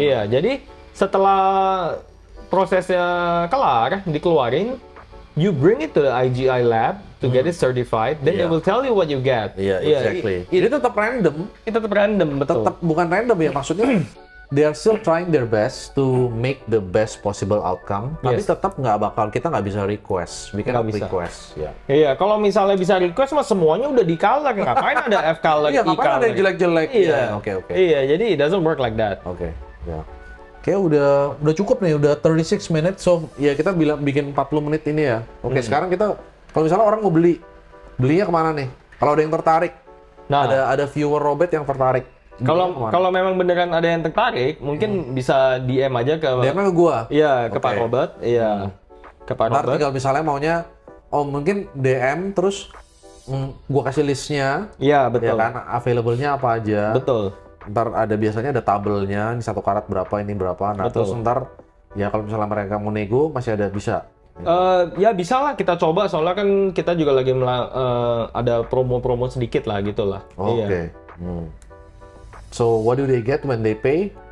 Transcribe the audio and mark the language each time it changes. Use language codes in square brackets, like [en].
[id] Jadi setelah prosesnya kelar, dikeluarin, [en] you bring it to the IGI lab to get it certified, then they will tell you what you get. [id] Exactly. Itu tetap random. Itu tetap random, betul. Tetap bukan random ya, maksudnya [en] they are still trying their best to make the best possible outcome, [id] tapi tetap nggak bakal, kita nggak bisa request. [en] We cannot request. [id] Iya, kalau misalnya bisa request, mah semuanya udah di color. Ngapain ada F color, E color? Ngapain ada yang jelek-jelek? Iya, jadi [en] it doesn't work like that. [id] Okay. kayak udah cukup nih, udah 36 menit. So ya kita bikin 40 menit ini ya. Oke, okay, sekarang kita kalau misalnya orang mau beli, belinya kemana nih? Kalau ada yang tertarik, nah, ada viewer Robert yang tertarik. Kalau memang beneran ada yang tertarik, mungkin bisa DM aja ke. DM ke gua. Iya, ke Pak Robert. Iya, ke Pak Robert. Tinggal misalnya maunya, oh mungkin DM terus gua kasih listnya. Iya betul. Ya kan, available-nya apa aja? Betul. Ntar ada biasanya ada tabelnya, ini satu karat berapa, ini berapa. Nah betul. Terus ntar ya kalau misalnya mereka mau nego masih ada bisa. Ya bisa lah, kita coba, soalnya kan kita juga lagi ada promo-promo sedikit lah gitu lah. Oke. Okay. Iya. [en] So what do they get when they pay?